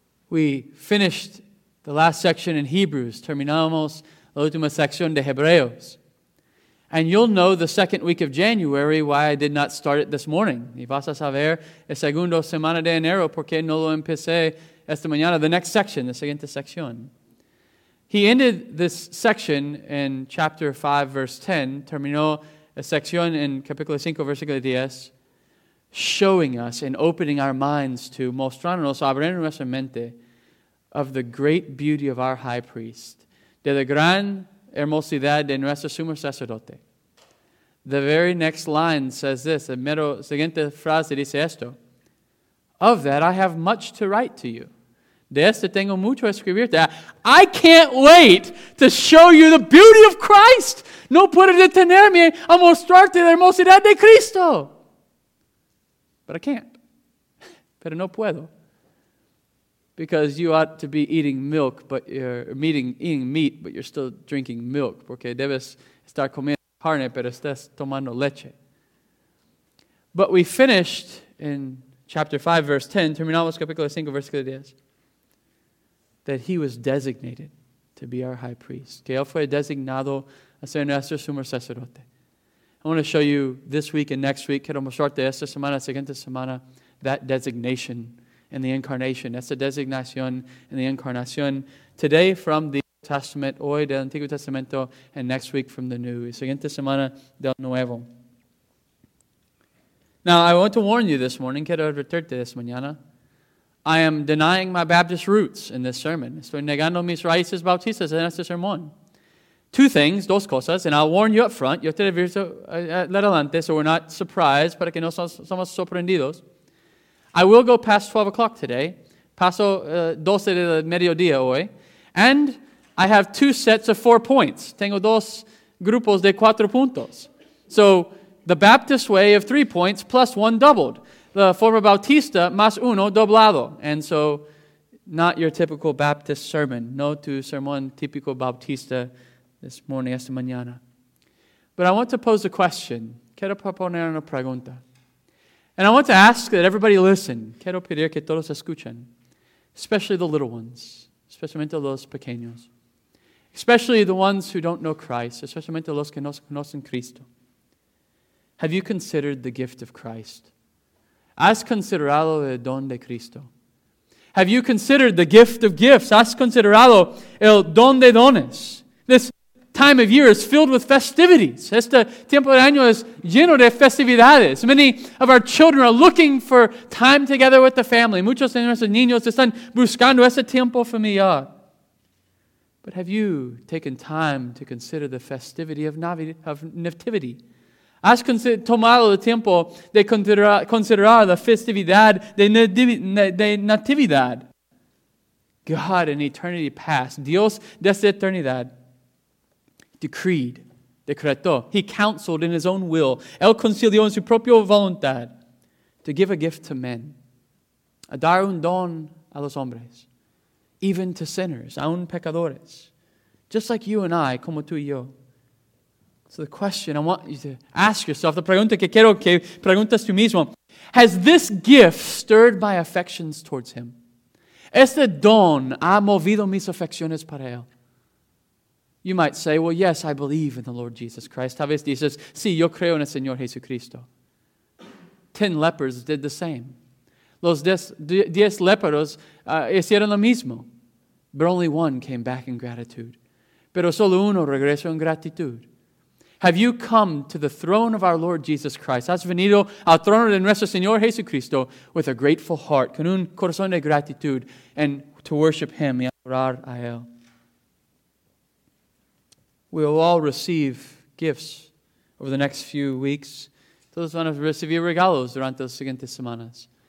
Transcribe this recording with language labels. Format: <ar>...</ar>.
<en>We finished the last section in Hebrews,</en> <es>terminamos la última sección de Hebreos.</es> <en>And you'll know the second week of January why I did not start it this morning.</en> <es>Y vas a saber el segundo semana de enero por qué no lo empecé esta mañana,</es> <en>the next section,</en> <es>the siguiente sección.</es> <en>He ended this section in chapter 5, verse 10,</en> <es>terminó la sección en capítulo 5, versículo 10,</es> <en>showing us and opening our minds to,</en> <es>mostrándonos, abriendo nuestra mente,</es> <en>of the great beauty of our high priest,</en> <es>de la gran hermosidad de nuestro sumo sacerdote.</es> <en>The very next line says this, the</en> <es>mero siguiente frase dice esto,</es> <en>of that I have much to write to you.</en> <es>De esto tengo mucho escribirte.</es> <en>I can't wait to show you the beauty of Christ.</en> <es>No puedo detenerme a mostrarte la hermosidad de Cristo.</es> <en>But I can't.</en> <es>Pero no puedo.</es> <en>Because you ought to be eating milk, but eating meat, but you're still drinking milk.</en> <es>Porque debes estar comiendo carne, pero estás tomando leche.</es> <en>But we finished in chapter 5, verse 10,</en> <es>terminamos capítulo 5, versículo 10,</es> <en>that he was designated to be our high priest.</en> <es>Que él fue designado a ser nuestro sumo sacerdote.</es> <en>I want to show you this week and next week,</en> <es>quiero mostrarte esta semana, siguiente semana,</es> <en>that designation in the incarnation.</en> <es>Esa designación</es> <en>in the incarnation. Today from the Testament,</en> <es>hoy del Antiguo Testamento,</es> <en>and next week from the New.</en> <es>Siguiente semana del Nuevo.</es> <en>Now, I want to warn you this morning,</en> <es>quiero advertirte esta mañana,</es> <en>I am denying my Baptist roots in this sermon.</en> <es>Estoy negando mis raíces bautistas en este sermón.</es> <en>Two things,</en> <es>dos cosas,</es> <en>and I'll warn you up front.</en> <es>Yo te advierto adelante,</es> <en>so we're not surprised,</en> <es>para que no somos sorprendidos.</es> <en>I will go past 12 o'clock today.</en> <es>Paso 12 de mediodía hoy.</es> <en>And I have two sets of 4 points.</en> <es>Tengo dos grupos de 4 puntos.</es> <en>So the Baptist way of 3 points plus one doubled.</en> <es>The forma bautista más uno doblado.</es> <en>And so not your typical Baptist sermon.</en> <es>No tu sermón típico bautista</es> <en>this morning,</en> <es>esta mañana.</es> <en>But I want to pose a question.</en> <es>Quiero proponer una pregunta.</es> <en>And I want to ask that everybody listen.</en> <es>Quiero pedir que todos escuchen. Especially the little ones. Especialmente los pequeños.</es> <en>Especially the ones who don't know Christ.</en> <es>Especialmente los que no conocen Cristo.</es> <en>Have you considered the gift of Christ?</en> <es>¿Has considerado el don de Cristo?</es> <en>Have you considered the gift of gifts?</en> <es>¿Has considerado el don de dones?</es> <en>This time of year is filled with festivities.</en> <es>Este tiempo de año es lleno de festividades.</es> <en>Many of our children are looking for time together with the family.</en> <es>Muchos de nuestros niños están buscando ese tiempo familiar.</es> <en>But have you taken time to consider the festivity of nativity?</en> <es>¿Has tomado el tiempo de considerar la festividad de natividad?</es> <en>God in eternity past,</en> <es>Dios desde eternidad,</es> <en>decreed,</en> <es>decretó,</es> <en>he counseled in his own will,</en> <es>él concilió en su propia voluntad,</es> <en>to give a gift to men,</en> <es>a dar un don a los hombres,</es> <en>even to sinners,</en> <es>aun pecadores,</es> <en>just like you and I,</en> <es>como tú y yo.</es> <en>So the question I want you to ask yourself, the</en> <es>pregunta que quiero que preguntas tú mismo,</es> <en>has this gift stirred my affections towards him?</en> <es>¿Este don ha movido mis afecciones para él?</es> <en>You might say, well, yes, I believe in the Lord Jesus Christ.</en> <es>Tal vez dices, sí, yo creo en el Señor Jesucristo.</es> <en>10 lepers did the same.</en> <es>los diez leperos hicieron lo mismo.</es> <en>But only one came back in gratitude.</en> <es>Pero solo uno regresó en gratitud.</es> <en>Have you come to the throne of our Lord Jesus Christ?</en> <es>¿Has venido al trono de nuestro Señor Jesucristo</es> <en>with a grateful heart,</en> <es>con un corazón de gratitud,</es> <en>and to worship Him</en> <es>y adorar a Él?</es> <en>We will all receive gifts over the next few weeks.</en> <es>Todos van a recibir regalos durante las siguientes semanas.</es>